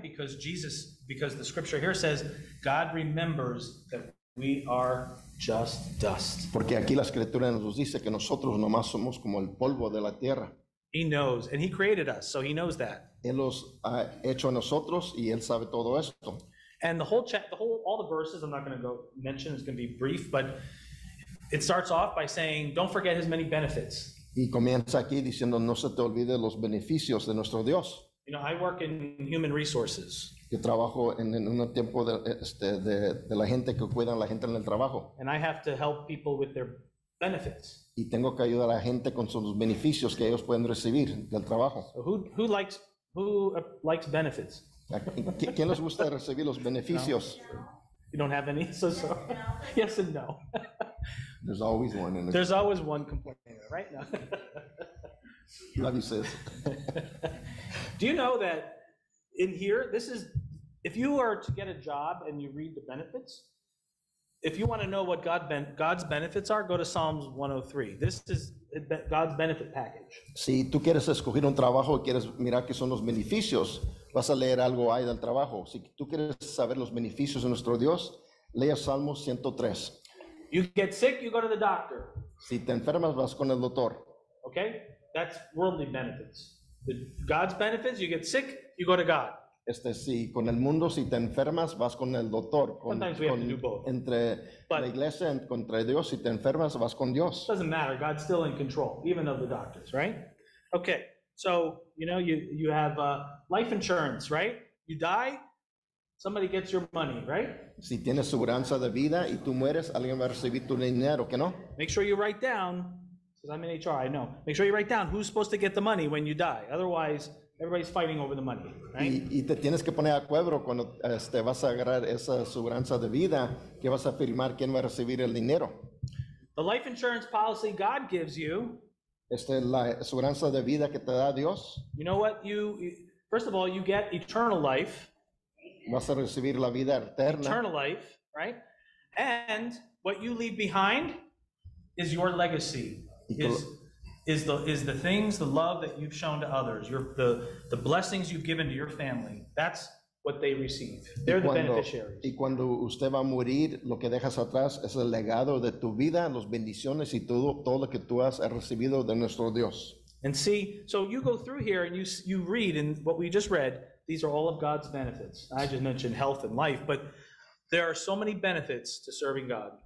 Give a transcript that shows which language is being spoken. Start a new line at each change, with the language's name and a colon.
English: Because the scripture here says God remembers that we are just dust.
Spanish: Porque aquí la escritura nos dice que nosotros nomás somos como el polvo de la tierra.
English: He knows, and he created us, so he knows that.
Spanish: Él los ha hecho a nosotros y él sabe todo esto.
English: And the whole chapter, all the verses, I'm not going to go mention, it's going to be brief, but it starts off by saying, don't forget his many benefits.
Spanish: Y comienza aquí diciendo, no se te olvide los beneficios de nuestro Dios.
English: You know, I work in human resources.
Spanish: Yo trabajo en un tiempo de la gente que cuidan la gente en el trabajo.
English: And I have to help people with their benefits.
Spanish: Y tengo que ayudar a la gente con sus beneficios que ellos pueden recibir del trabajo.
English: So who likes benefits?
Spanish: ¿Quién les gusta recibir los beneficios?
English: No. You don't have any, so yes and no. There's always one. In the There's always one complaining, right? No. Love you, sis. Do you know that in here, this is, if you are to get a job and you read the benefits, if you want to know what God's benefits are, go to Psalms 103. This is God's benefit package.
Spanish: Si tú quieres escoger un trabajo y quieres mirar qué son los beneficios, vas a leer algo ahí del trabajo. Si tú quieres saber los beneficios de nuestro Dios, lea Salmos 103.
English: You get sick, you go to the doctor.
Spanish: Si te enfermas, vas con el doctor.
English: Okay? That's worldly benefits. God's benefits, you get sick, you go to God.
Spanish: Si con el mundo, si te enfermas, vas con el doctor.
English: Sometimes we have to do both.
Spanish: Entre la iglesia, contra Dios, si te enfermas, vas con Dios.
English: Doesn't matter, God's still in control, even of the doctors, right? Okay, so, you know, you have life insurance, right? You die, somebody gets your money, right?
Spanish: Si tienes seguridad de vida y tú mueres, alguien va a recibir tu dinero, ¿qué no?
English: Make sure you write down, because I'm in HR, I know. Make sure you write down who's supposed to get the money when you die. Otherwise, everybody's fighting over the money, right?
Spanish: Y te tienes que poner a cuadro cuando vas a agarrar esa seguridad de vida, que vas a firmar quién va a recibir el dinero.
English: The life insurance policy God gives you.
Spanish: La seguridad de vida que te da Dios.
English: You know what? First of all, you get eternal life.
Spanish: Vas a recibir la vida eterna.
English: Eternal life, right? And what you leave behind is your legacy. Is the things, the love that you've shown to others, the blessings you've given to your family, that's what they receive. They're the beneficiaries.
Spanish: Y cuando usted va a morir, lo que dejas atrás es el legado de tu vida, las bendiciones y todo lo que tú has recibido de nuestro Dios.
English: And see, so you go through here and you read, and what we just read, these are all of God's benefits. I just mentioned health and life, but there are so many benefits to serving God.